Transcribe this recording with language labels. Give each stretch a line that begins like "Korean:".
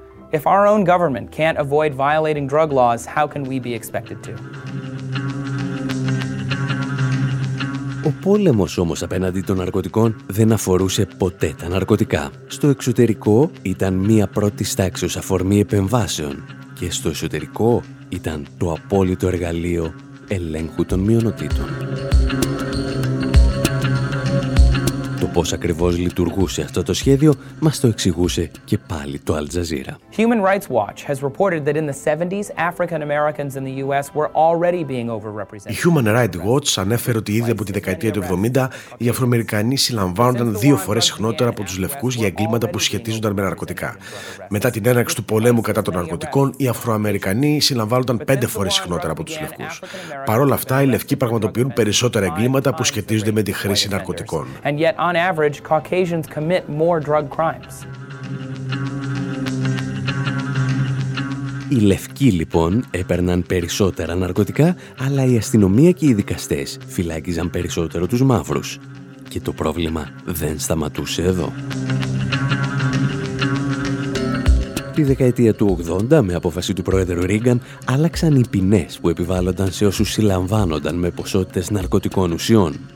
English: If our own government can't avoid violating drug laws, how can we be expected to?
Greek: Ο πόλεμος όμως απέναντι των ναρκωτικών δεν αφορούσε ποτέ τα ναρκωτικά. Στο εξωτερικό ήταν μία πρώτη τάξης αφορμή επεμβάσεων και στο εσωτερικό ήταν το απόλυτο εργαλείο ελέγχου των μειονοτήτων. Το πώς ακριβώς λειτουργούσε αυτό το σχέδιο μας το εξηγούσε και πάλι το Αλτζαζίρα.
English: Human Rights Watch has reported that in the 70s African Americans in the US were already being overrepresented.
Greek: Η Human Rights Watch ανέφερε ότι ήδη από τη δεκαετία του 70 οι Αφροαμερικανοί συλλαμβάνονταν δύο φορές συχνότερα από τους λευκούς για εγκλήματα που σχετίζονταν με ναρκωτικά. Μετά την έναρξη του πολέμου κατά των ναρκωτικών, οι Αφροαμερικανοί συλλαμβάνονταν 5 φορές συχνότερα από τους λευκούς. Παρ' όλα αυτά, οι λευκοί πραγματοποιούν περισσότερα εγκλήματα που σχετίζονται με τη χρήση ναρκωτικών.
English: On average, Caucasians commit more drug crimes.
Greek: Οι λευκοί λοιπόν έπαιρναν περισσότερα ναρκωτικά, αλλά η αστυνομία και οι δικαστές φυλάκιζαν περισσότερο τους μαύρους. Και το πρόβλημα δεν σταματούσε εδώ. Τη δεκαετία του 80, με απόφαση του πρόεδρου Ρίγκαν, άλλαξαν οι ποινές που επιβάλλονταν σε όσους συλλαμβάνονταν με ποσότητες ναρκωτικών ουσιών.